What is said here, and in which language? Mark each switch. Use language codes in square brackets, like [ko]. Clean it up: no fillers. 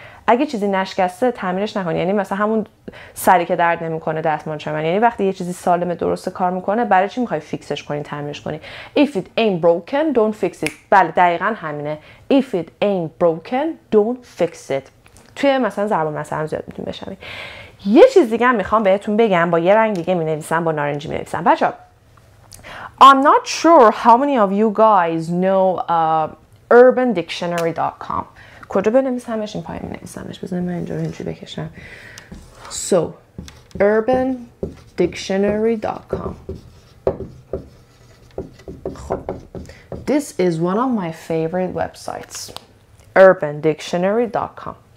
[fa] اگه چیزی نشکسته تعمیرش نکن، یعنی مثلا همون سری که درد نمیکنه دستمال چمن، یعنی وقتی یه چیزی سالم درست کار میکنه برای چی میخوای فیکسش کنی، تعمیرش کنی؟ [en] If it ain't broken, don't fix it. [fa] بله دقیقا همینه. [en] If it ain't broken, don't fix it. [fa] توی مثلا ضرب المثل زیاد میتونی بشنوی. یه چیز دیگه هم میخوام بهتون بگم، با یه رنگ دیگه مینویسم، با نارنجی مینویسم. بچه‌ها [en] I'm not sure how many of you guys know urbandictionary.com. [fa] کجا بنویسمش؟ این پایین بنویسمش. بذار من اینجا رو اینجوری بکشم. [en] So, urbandictionary.com. خب. This is one of my favorite websites. urbandictionary.com.